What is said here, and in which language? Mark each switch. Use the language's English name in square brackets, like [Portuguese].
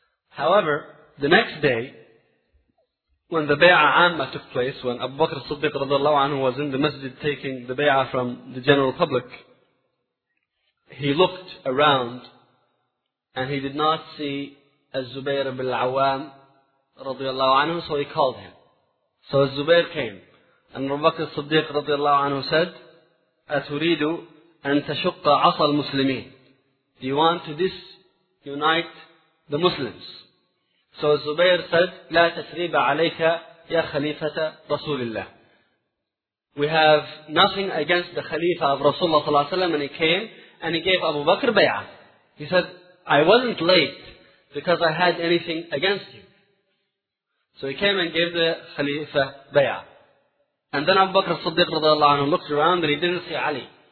[English] However, the next day, when the bay'ah amma took place, when Abu Bakr as-Siddiq radiallahu anhu was in the masjid taking the bay'ah from the general public, he looked around and he did not see Al-Zubayr ibn al-Awwam radiallahu anhu, so he called him. So Al-Zubayr came and Abu Bakr as-Siddiq radiallahu anhu said, [Arabic] أَتُرِيدُ أَن تَشُقَّ عَصَى الْمُسْلِمِينَ. [English] Do you want to disunite the Muslims? [Arabic] So Zubayr said, لا تسريب عليك يا خليفة رسول الله. [English] We have nothing against the Khalifa of Rasulullah صلى الله عليه وسلم, and he came and he gave Abu Bakr bay'ah. He said, I wasn't late because I had anything against you. So he came and gave the Khalifa bay'ah. And then Abu Bakr as-Siddiq رضي الله عنه looked around and he didn't see Ali.